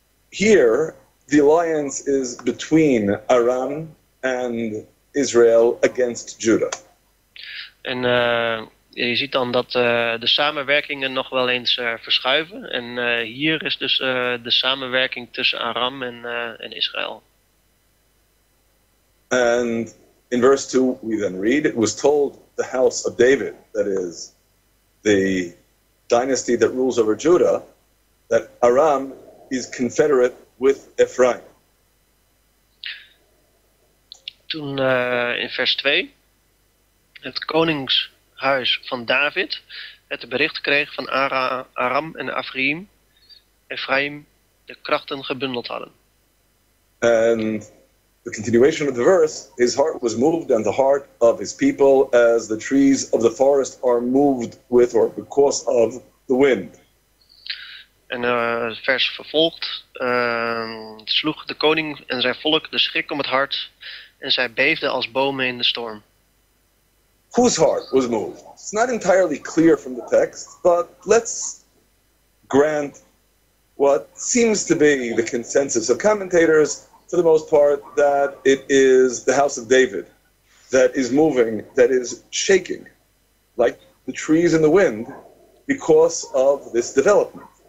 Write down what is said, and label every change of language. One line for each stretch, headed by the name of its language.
English: Here, the alliance is between Aram and Israel against Judah.
Dutch: En je ziet dan dat de samenwerkingen nog wel eens verschuiven. En hier is dus de samenwerking tussen Aram en Israël.
English: And in verse 2 we then read, it was told the house of David, that is the dynasty that rules over Judah, that Aram is confederate with Ephraim.
Dutch: toen in vers 2 het koningshuis van David het bericht kreeg van Aram en Ephraim de krachten gebundeld hadden.
English: And the continuation of the verse, his heart was moved and the heart of his people as the trees of the forest are moved with or because of the wind.
Dutch: En het vers vervolgt, sloeg de koning en zijn volk de schrik om het hart en zij beefden als bomen in de storm.
English: Whose heart was moved? It's not entirely clear from the text, but let's grant what seems to be the consensus of commentators, for the most part, that it is the house of David that is moving, that is shaking, like the trees in the wind, because of this development.